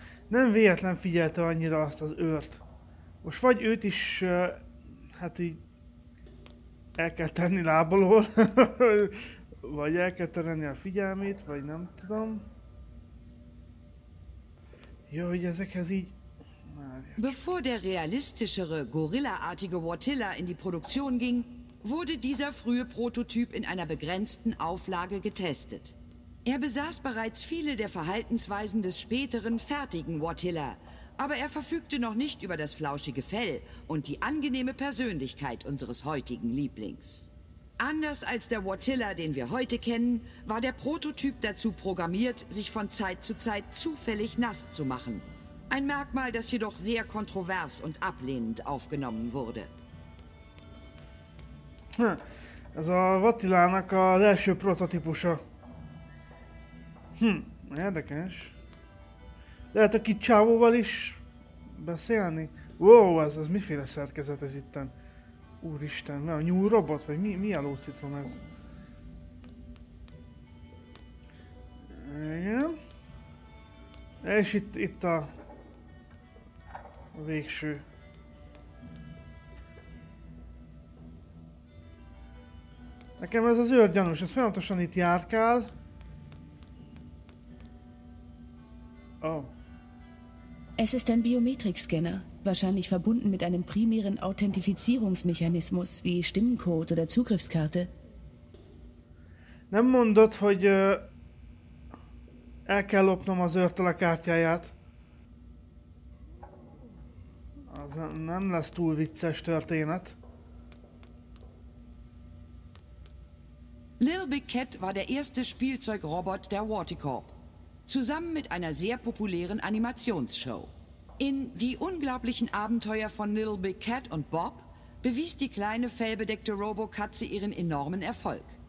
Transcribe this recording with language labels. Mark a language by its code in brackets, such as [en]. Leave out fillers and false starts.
[hu] Nem véletlen figyelte annyira azt az őrt. Most vagy őt is, hát így el kell tenni lábalól, vagy el kell terenni a figyelmét, vagy nem tudom. Jó, hogy ezekhez így... [de] Bevor der realistischere, gorillaartige Wartilla in die Produktion ging, wurde dieser frühe Prototyp in einer begrenzten Auflage getestet. Er besaß bereits viele der Verhaltensweisen des späteren, fertigen Wartilla, aber er verfügte noch nicht über das flauschige Fell und die angenehme Persönlichkeit unseres heutigen Lieblings. Anders als der Wartilla, den wir heute kennen, war der Prototyp dazu programmiert, sich von Zeit zu Zeit zufällig nass zu machen. Ein Merkmal, das jedoch sehr kontrovers und ablehnend aufgenommen wurde. [hu] Ez a Wartillának az első prototípusa. Érdekes. Lehet a kicsávóval is beszélni? Wow, ez miféle szerkezet ez itten? Úristen, mi a New Robot? Vagy mi a lócitrom ez? Igen. És itt a végső. Nekem ez az őr gyanús, ez folyamatosan itt járkál. Oh. [de] Es ist ein Biometrik-Scanner, wahrscheinlich verbunden mit einem primären Authentifizierungsmechanismus wie Stimmencode oder Zugriffskarte. [hu] Nem mondott, hogy el kell lopnom az őrtől a kártyáját. Az nem lesz túl vicces történet. [de] Little Big Cat war der erste Spielzeugrobot der Warticorp, zusammen mit einer sehr populären Animationsshow. In Die unglaublichen Abenteuer von Little Big Cat und Bob bewies die kleine fellbedeckte Robokatze ihren enormen Erfolg.